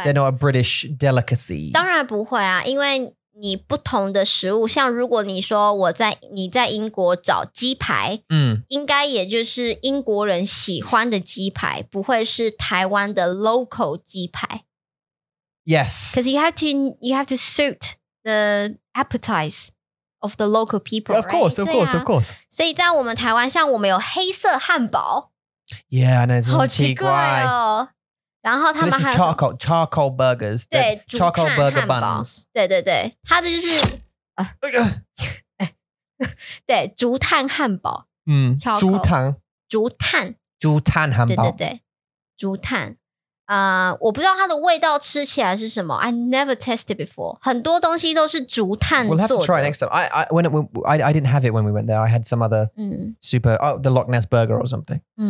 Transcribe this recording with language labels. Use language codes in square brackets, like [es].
[en] ，they're not a British delicacy. [zh] 当然不会啊，因为你不同的食物，像如果你说你在英国找鸡排，应该也就是英国人喜欢的鸡排，不会是台湾的 local 鸡排。 [en] Yes. Because you have to suit the appetite of the local people, yeah, of course, right? Of course, of course. [zh] 所以在我们台湾，像我们有黑色汉堡。 Yeah, 那种奇怪哦。然后他们还有 [en] charcoal burgers, [zh] 对 [en] charcoal burger buns. [zh] 对对对，它的就是对竹炭汉堡。 charcoal, 竹炭。竹炭。竹炭汉堡。对对对，竹炭。我不知道它的味道吃起来是什么。 [en] I never tested before. [zh] 很多东西都是竹炭做的。 [en] We'll have to try it next time. I didn't have it when we went there. I had some other super, oh, the Loch Ness burger or something.